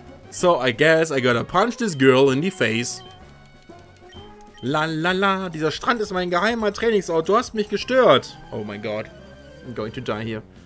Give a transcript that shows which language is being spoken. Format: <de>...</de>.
<en>So, I guess I gotta punch this girl in the face.</en> <de>La la la, dieser Strand ist mein geheimer Trainingsort. Du hast mich gestört.</de> <en>Oh my god. I'm going to die here.</en>